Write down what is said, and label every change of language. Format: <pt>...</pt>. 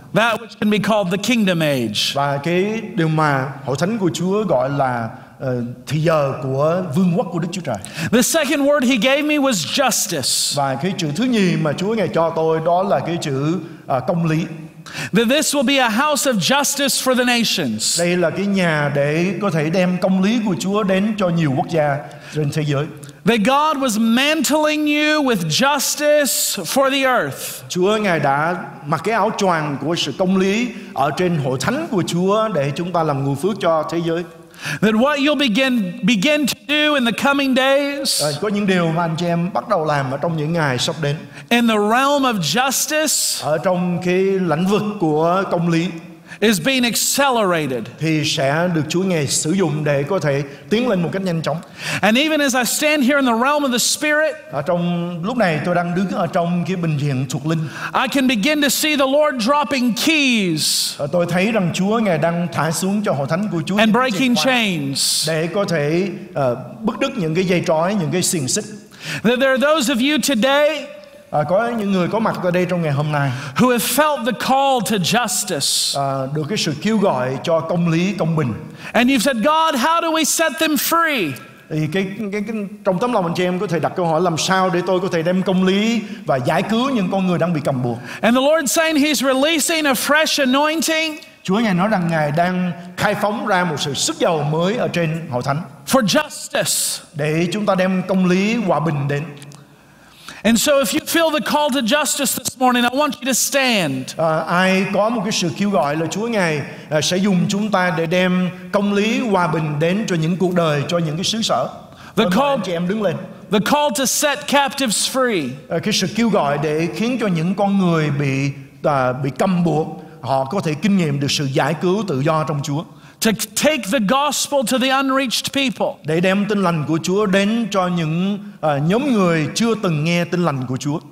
<en>That which can be called the kingdom age.</en> <vi>Và cái điều mà hội thánh của Chúa gọi là thì giờ của vương quốc của Đức Chúa Trời.</vi> <en>The second word He gave me was justice.</en> <vi>Và cái chữ thứ nhì mà Chúa ngài cho tôi đó là cái chữ công lý.</vi> <en>That this will be a house of justice for the nations.</en> <vi>Đây là cái nhà để có thể đem công lý của Chúa đến cho nhiều quốc gia trên thế giới.</vi> <en>That God was mantling you with justice for the earth.</en> <vi>Chúa ngài đã mặc cái áo choàng của sự công lý ở trên hội thánh của Chúa để chúng ta làm nguồn phước cho thế giới.</vi> <en>That what you'll begin to do in the coming days.</en> <vi>Có những điều mà anh chị em bắt đầu làm ở trong những ngày sắp đến.</vi> <en>In the realm of justice.</en> <vi>Ở trong cái lãnh vực của công lý.</vi> <en>Is being accelerated.</en> <vi>Thì sẽ được Chúa ngài sử dụng để có thể tiến lên một cách nhanh chóng.</vi> <en>And even as I stand here in the realm of the spirit.</en> <vi>Ở trong lúc này tôi đang đứng ở trong cái bình diện thuộc linh.</vi> <en>I can begin to see the Lord dropping keys.</en> <vi>Tôi thấy rằng Chúa ngài đang thả xuống cho hội thánh của Chúa.</vi> <en>And breaking chains.</en> <vi>Để có thể bứt đứt những cái dây trói, những cái xiềng xích.</vi> <en>That there are those of you today.</en> <vi>Có những người có mặt ở đây trong ngày hôm nay.</vi> <en>Who have felt the call to justice.</en> <vi>Được cái sự kêu gọi cho công lý, công bình.</vi> <en>And you've said, God, how do we set them free?</en> <vi>Thì cái trong tấm lòng anh chị em có thể đặt câu hỏi làm sao để tôi có thể đem công lý và giải cứu những con người đang bị cầm buộc.</vi> <en>And the Lord saying He's releasing a fresh anointing.</en> <vi>Chúa ngài nói rằng ngài đang khai phóng ra một sự sức dầu mới ở trên hội thánh.</vi> <en>For justice.</en> <vi>Để chúng ta đem công lý, hòa bình đến.</vi> <en>And so if you feel the call to justice this morning, I want you to stand.</en> <vi>Ai có một cái sự kêu gọi là Chúa ngài sẽ dùng chúng ta để đem công lý hòa bình đến cho những cuộc đời, cho những cái xứ sở.</vi> <en>The call,</en> <vi>anh chị em đứng lên.</vi> <en>The call to set captives free.</en> <vi>Cái sự kêu gọi để khiến cho những con người bị cầm buộc, họ có thể kinh nghiệm được sự giải cứu tự do trong Chúa.</vi> <en>To take the gospel to the unreached people.</en> <vi>Để đem tin lành của Chúa đến cho những nhóm người chưa từng nghe tin lành của Chúa.</vi>